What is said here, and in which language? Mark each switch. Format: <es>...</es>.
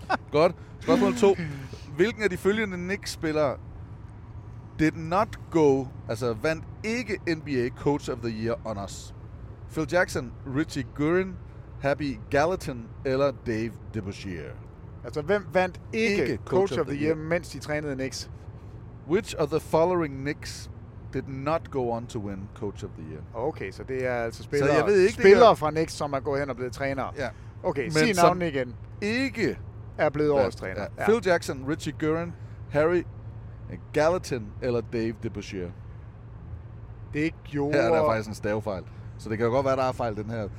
<da>Godt. Spørgsmål 2. Hvilken af de følgende Knicks-spillere</da> <en>did not go,</en> <da>altså vandt ikke NBA Coach of the Year honors? Phil Jackson, Richie Guerin, Happy Gallatin eller Dave DeBusschere? Altså, hvem vandt ikke Coach of the Year, mens de trænede Knicks?</da> <en>Which of the following Knicks did not go on to win Coach of the Year?</en> <da>Okay, så det er altså spillere fra Knicks, som er gået hen og blevet trænere. Ja. Okay, men sig navnet igen. Ikke er blevet årets træner. Ja. Phil Jackson, Richie Guerin, Harry Gallatin eller Dave DeBusschere? Det gjorde... Her er der faktisk en stavefejl. Så det kan godt være, der er fejl den her.</da>